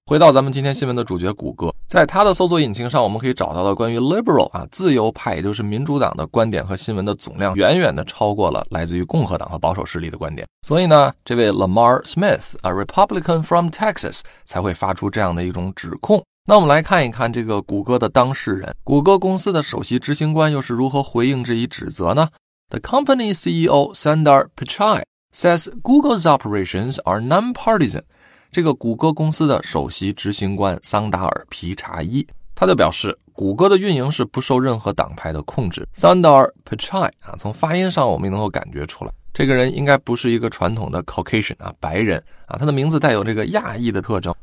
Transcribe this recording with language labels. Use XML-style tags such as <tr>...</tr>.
<zh>回到咱们今天新闻的主角谷歌，在他的搜索引擎上我们可以找到的关于 liberal 啊，自由派，也就是民主党的观点和新闻的总量远远的超过了来自于共和党和保守势力的观点。所以呢，这位 Lamar Smith</zh> <en>a Republican from Texas</en> <zh>才会发出这样的一种指控。那我们来看一看这个谷歌的当事人，谷歌公司的首席执行官又是如何回应这一指责呢？</zh> <en>The company CEO Sundar Pichai says Google's operations are non-partisan.</en> <zh>这个谷歌公司的首席执行官桑达尔皮查伊，他就表示谷歌的运营是不受任何党派的控制。 Sundar Pichai 啊，从发音上我们也能够感觉出来，这个人应该不是一个传统的 Caucasian 啊，白人啊，他的名字带有这个亚裔的特征。</zh>